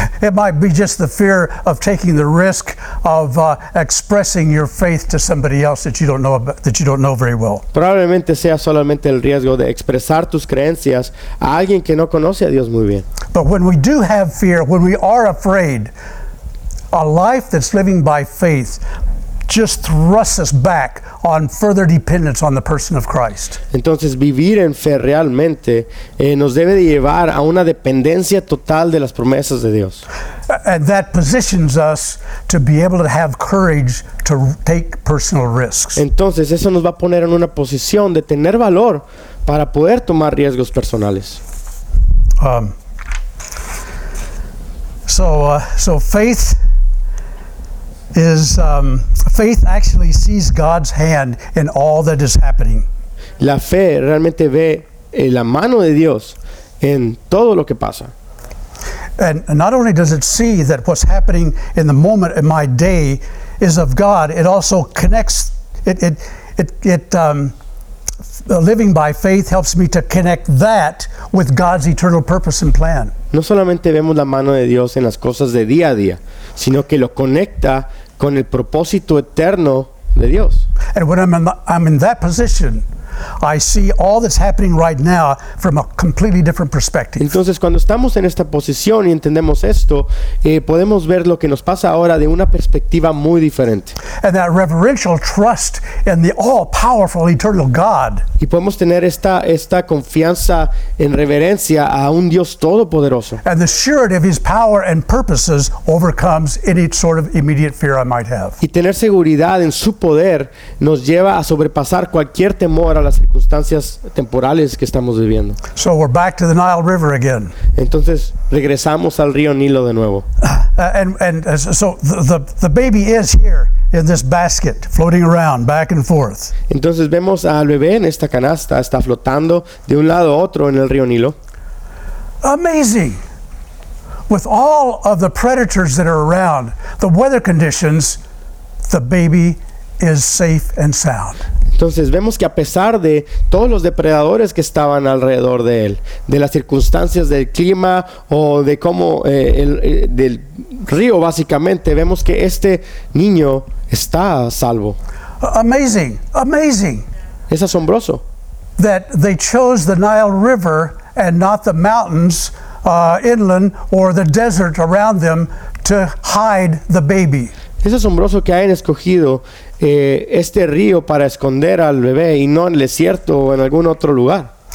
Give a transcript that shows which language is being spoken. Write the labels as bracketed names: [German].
[English] It might be just the fear of taking the risk of expressing your faith to somebody else that you don't know very well. [Spanish] Probablemente sea solamente el riesgo de expresar tus creencias a alguien que no conoce a Dios muy bien. [English] But when we do have fear, when we are afraid, a life that's living by faith just thrusts us back on further dependence on the person of Christ. [Spanish] Entonces, vivir en fe realmente nos debe de llevar a una dependencia total de las promesas de Dios. [English] And that positions us to be able to have courage to take personal risks. [Spanish] Entonces, eso nos va a poner en una posición de tener valor para poder tomar riesgos personales. [English] So faith is faith actually sees God's hand in all that is happening. [Spanish] La fe realmente ve la mano de Dios en todo lo que pasa. [English] And not only does it see that what's happening in the moment in my day is of God, it also connects living by faith helps me to connect that with God's eternal purpose and plan. [Spanish] No solamente vemos la mano de Dios en las cosas de día a día, sino que lo conecta con el propósito eterno de Dios. [English] And when I'm in that position, I see all that's happening right now from a completely different perspective. [Spanish] Entonces, cuando estamos en esta posición y entendemos esto, podemos ver lo que nos pasa ahora de una perspectiva muy diferente. [English] And that reverential trust in the all-powerful, eternal God. [Spanish] Y podemos tener esta confianza en reverencia a un Dios todopoderoso. [English] And the surety of His power and purposes overcomes any sort of immediate fear I might have. [Spanish] Y tener seguridad en su poder nos lleva a sobrepasar cualquier temor a las circunstancias temporales que estamos viviendo. [English] So we're back to the Nile River again. [Spanish] Entonces regresamos al río Nilo de nuevo. [English] And so the baby is here in this basket, floating around back and forth. [Spanish] Entonces vemos al bebé en esta canasta, está flotando de un lado a otro en el río Nilo. [English] Amazing. With all of the predators that are around, the weather conditions, the baby is safe and sound. [Spanish] Entonces vemos que a pesar de todos los depredadores que estaban alrededor de él, de las circunstancias del clima o de cómo del río básicamente, vemos que este niño está a salvo. [English] Amazing, amazing. [Spanish] Es asombroso. [English] That they chose the Nile River and not the mountains inland or the desert around them to hide the baby. [Spanish] Es asombroso que hayan escogido este río para esconder al bebé y no en el desierto o en algún otro lugar.